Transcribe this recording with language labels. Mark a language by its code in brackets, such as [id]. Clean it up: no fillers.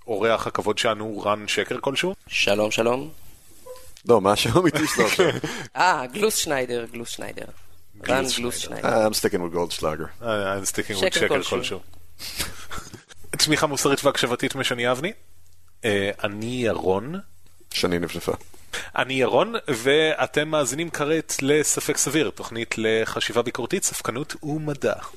[he] אורח הכבוד שלנו, רן שקר כלשהו. שלום, שלום. לא, מה השם איתי שלום? גלוס שניידר, גלוס שניידר. רן גלוס שניידר. [en] I'm sticking with גולדשלאגר. I'm sticking with שקר כלשהו. [he] תמיכה מוסרית והקשבתית משני אבני. אני ירון. שני נפנפה. אני ירון, ואתם מאזינים כרת לספק סביר, תוכנית לחשיבה ביקורתית, ספקנות ומדע.